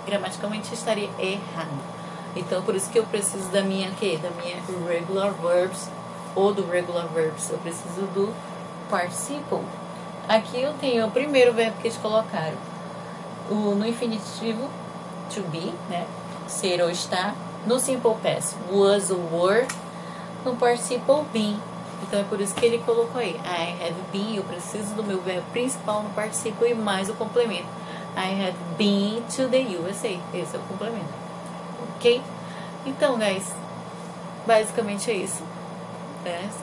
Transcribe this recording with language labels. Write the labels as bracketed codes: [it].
[pt] Gramaticalmente estaria errado. Então, por isso que eu preciso da minha, okay, da minha regular verbs ou do regular verbs. Eu preciso do participle. Aqui eu tenho o primeiro verbo que eles colocaram. No infinitivo, to be, né? Ser ou estar. No simple past, was ou were. No participle, been. Então é por isso que ele colocou aí. [en] I have been. [pt] Eu preciso do meu verbo principal no participle e mais o complemento. [en] I have been to the USA. [pt] Esse é o complemento. Ok? Então, guys, basicamente é isso, né?